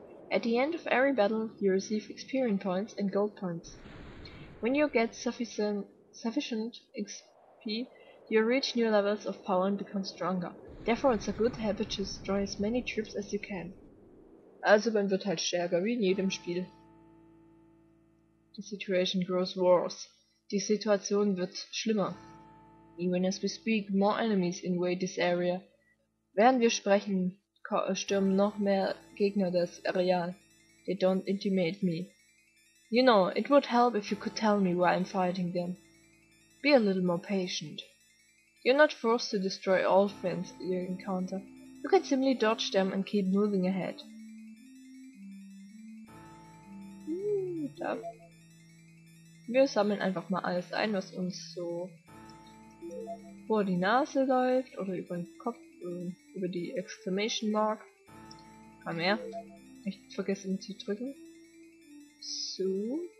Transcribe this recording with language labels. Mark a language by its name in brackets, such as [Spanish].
[English] At the end of every battle, you receive experience points and gold points. When you get sufficient XP, you reach new levels of power and become stronger. Therefore, it's a good habit to join as many troops as you can. [German] Also, man wird halt stärker, wie in jedem Spiel. [English] The situation grows worse. [German] Die Situation wird schlimmer. [English] Even as we speak, more enemies invade this area. [German] Während wir sprechen, stürmen noch mehr Gegner das Areal. [English] They don't intimidate me. You know, it would help if you could tell me why I'm fighting them. Be a little more patient. You're not forced to destroy all friends you encounter. You can simply dodge them and keep moving ahead. [German] Da. Wir sammeln einfach mal alles ein, was uns so vor die Nase läuft oder über den Kopf. Über die Exclamation Mark. Komm her. Nicht vergessen zu drücken. So.